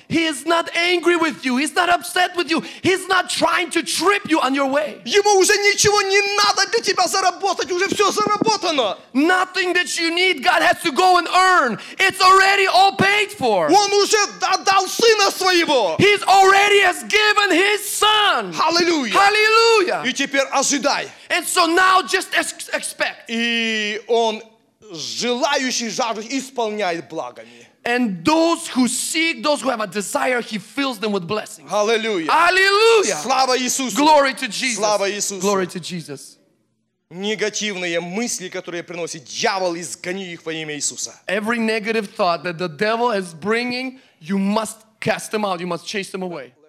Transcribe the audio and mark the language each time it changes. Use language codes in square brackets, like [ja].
[en] He is not angry with you. He's not upset with you. He's not trying to trip you on your way. [ru] Ему уже ничего не надо для тебя заработать. Уже все заработано. [en] Nothing that you need, God has to go and earn. It's already all paid for. [ru] Он уже отдал сына своего. [en] He's already has given his son. Hallelujah. Hallelujah. [ru] И теперь ожидай. [en] And so now just expect. [ru] И он желающий жажду исполняет благами. [en] And those who seek, those who have a desire, he fills them with blessings. Hallelujah. Hallelujah. [ru] Слава Иисусу. [en] Glory to Jesus. [ru] Слава Иисусу. [en] Glory to Jesus. [ru] Негативные мысли, которые приносит дьявол, изгони их во имя Иисуса. [en] Every negative thought that the devil is bringing, you must cast them out. You must chase them away.